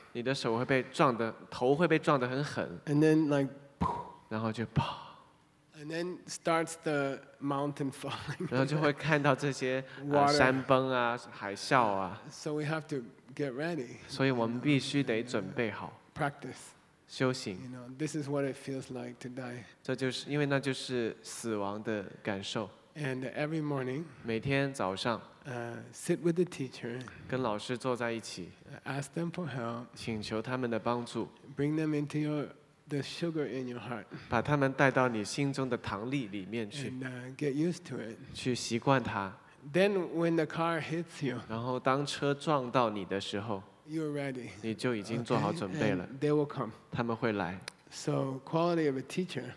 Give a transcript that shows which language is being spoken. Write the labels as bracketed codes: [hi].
[zh] 你的手会被撞的，头会被撞得很狠。 [en] And then like, [zh] 然后就啪。 [en] And then starts the mountain falling. [zh] 然后就会看到这些山崩啊，海啸啊。 [en] So we have to get ready. [zh] 所以我们必须得准备好。 [en] Practice. [zh] 修行 [en] you know, this is what it feels like to die. [zh] 这就是因为那就是死亡的感受 [en] And every morning, [zh] 每天早上 [en] sit with the teacher, [zh] 跟老师坐在一起 [en] ask them for help, [zh] 请求他们的帮助 [en] bring them into the sugar in your heart, [zh] 把他们带到你心中的糖粒里面去 [en] and get used to it, [zh] 去习惯它 [en] then when the car hits you, [zh] 然后当车撞到你的时候 [en] You're ready. [zh] 你就已经做好准备了。 [en] Okay, they will come. [zh] 他们会来。 [en] So quality of a teacher.